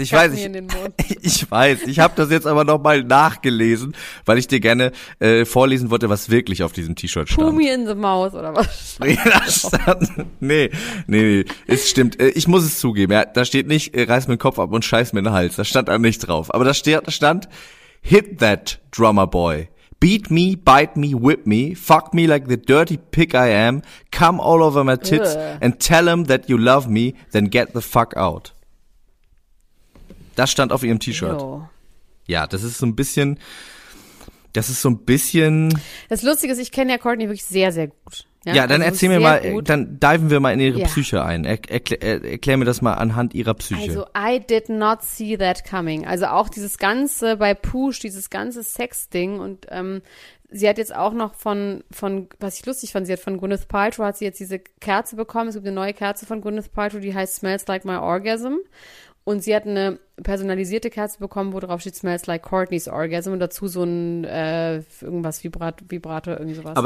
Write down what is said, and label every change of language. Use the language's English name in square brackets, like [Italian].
[German] Ich habe das jetzt aber nochmal nachgelesen, weil ich dir gerne vorlesen wollte, was wirklich auf diesem T-Shirt stand. [English] Pumi in the Mouth [German] oder was? Nee. Es stimmt. Ich muss es zugeben. Ja, da steht nicht, reiß mir den Kopf ab und scheiß mir in den Hals. Da stand da nicht drauf. Aber da stand, [English] hit that drummer boy. Beat me, bite me, whip me, fuck me like the dirty pig I am, come all over my tits and tell him that you love me, then get the fuck out. [German] Das stand auf ihrem T-Shirt. Yo. Ja, das ist so ein bisschen. Das Lustige ist, ich kenne ja Courtney wirklich sehr, sehr gut. Ja, dann also erzähl mir mal, gut. Dann diven wir mal in ihre Psyche ein. Erklär mir das mal anhand ihrer Psyche. Also, [English] I did not see that coming. [German] Also auch dieses ganze, bei Push, dieses ganze Sex-Ding und sie hat jetzt auch noch von was ich lustig fand, sie hat von Gwyneth Paltrow, hat sie jetzt diese Kerze bekommen, es gibt eine neue Kerze von Gwyneth Paltrow, die heißt Smells Like My Orgasm und sie hat eine personalisierte Kerze bekommen, wo drauf steht Smells Like Courtney's Orgasm und dazu so ein irgendwas Vibrator irgendwie sowas.